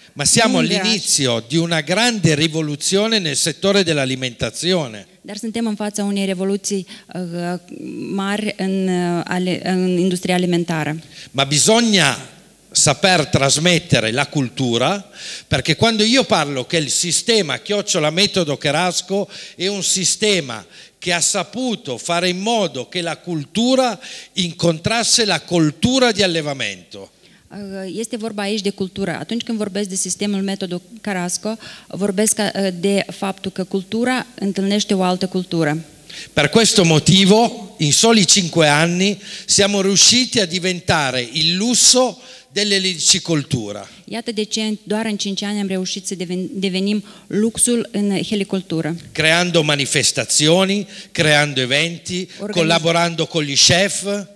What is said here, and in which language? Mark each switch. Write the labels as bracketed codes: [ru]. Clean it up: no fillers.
[it] Ma siamo all'inizio di una grande rivoluzione nel settore dell'alimentazione. [ro] Dar suntem în fața unei revoluții mari în industria alimentară. [it] Ma bisogna saper trasmettere la cultura, perché quando io parlo che il sistema Chiocciola Metodo Carasco è un sistema che ha saputo fare in modo che la cultura incontrasse la cultura di allevamento. [ro] Este vorba aici de cultură. Atunci când vorbesc de sistemul Metodo Carasco, vorbesc de faptul că cultura întâlnește o altă cultură. [it] Per questo motivo, in soli 5 anni, siamo riusciti a diventare il lusso dell'elicicoltura. [ro] Iată de ce doar în 5 ani am reușit să devenim luxul în helicultură. [it] Creando manifestazioni, creando eventi, collaborando con gli chef.